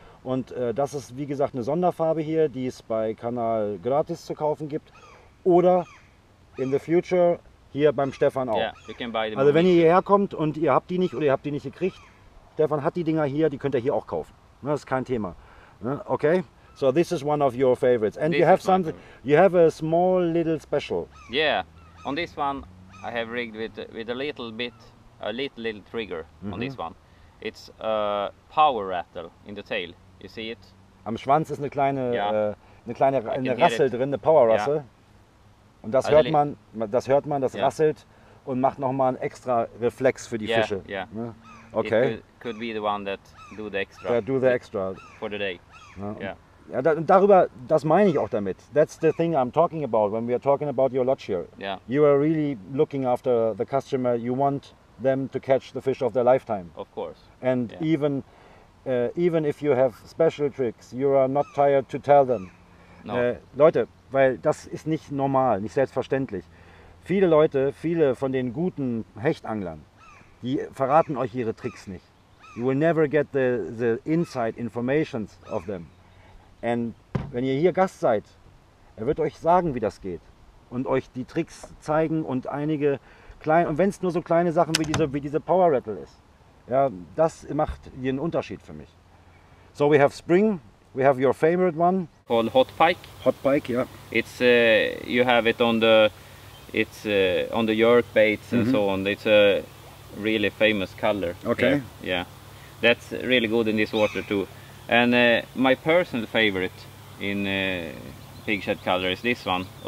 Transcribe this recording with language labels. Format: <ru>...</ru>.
<de>Und das ist, wie gesagt, eine Sonderfarbe hier, die es bei Canal Gratis zu kaufen gibt. Oder</de> <en>in the future</en> <de>hier beim Stefan auch. Also wenn ihr hierher kommt und ihr habt die nicht oder ihr habt die nicht gekriegt, Stefan hat die Dinger hier, die könnt ihr hier auch kaufen. Das ist kein Thema.</de> <en>Okay? So this is one of your favorites. And this you have something, you have a small little special. Yeah. On this one I have rigged with a little trigger on this one. It's a power rattle in the tail. You see it?</en> <de>Am Schwanz ist eine kleine Power Rassel drin.</de> <en>Yeah.</en> <de>Und das hört man, das rasselt und macht nochmal einen extra Reflex für die Fische.</de> <en>Yeah. Okay. It could be the one that do the extra. Yeah, do the extra for the day.</en> <de>Ja, darüber, das meine ich auch damit.</de> <en>That's the thing I'm talking about when we are talking about your lodge here. Yeah. You are really looking after the customer. You want them to catch the fish of their lifetime. Of course. And even if you have special tricks, you are not tired to tell them. No.</en> <de>Leute, weil das ist nicht normal, nicht selbstverständlich. Viele Leute, viele von den guten Hechtanglern, die verraten euch ihre Tricks nicht.</de> <en>You will never get the inside informations of them.</en> <de>Und wenn ihr hier Gast seid, er wird euch sagen, wie das geht und euch die Tricks zeigen und einige kleine, und wenn es nur so kleine Sachen wie diese Power Rattle ist, ja, das macht hier einen Unterschied für mich.</de> <en>So we have Spring, we have your favorite one. Called Hot Pike. Hot Pike, ja. It's, you have it on the, it's on the jerk baits and so on. It's a really famous color. Okay. Here. Yeah, that's really good in this water too. And my personal favorite in pigshead color is this one.</en>